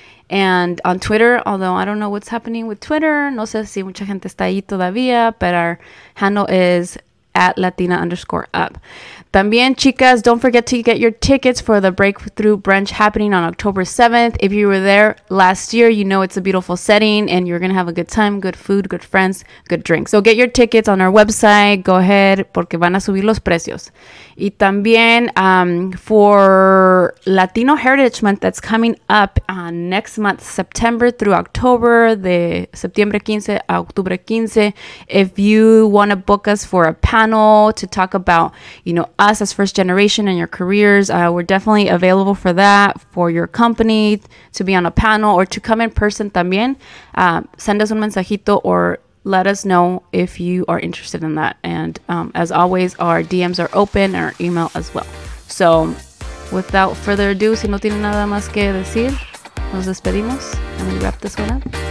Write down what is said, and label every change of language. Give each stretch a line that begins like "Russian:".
English: And on Twitter, although I don't know what's happening with Twitter,
Spanish: no sé si mucha gente está ahí todavía,
English: but our handle is @latina_up.
Spanish: También, chicas,
English: don't forget to get your tickets for the Breakthrough Brunch happening on October 7th. If you were there last year, you know it's a beautiful setting and you're going to have a good time, good food, good friends, good drinks. So get your tickets on our website. Go ahead,
Spanish: porque van a subir los precios. Y también
English: for Latino Heritage Month that's coming up next month, September through October, de September 15 a October 15, if you want to book us for a panel to talk about, you know, us as first generation and your careers, we're definitely available for that, for your company to be on a panel or to come in person también, send us
Spanish: un mensajito
English: or let us know if you are interested in that. And as always, our DMs are open and our email as well. So without further ado,
Spanish: si no tiene nada más que decir, nos despedimos
English: and we wrap this one up.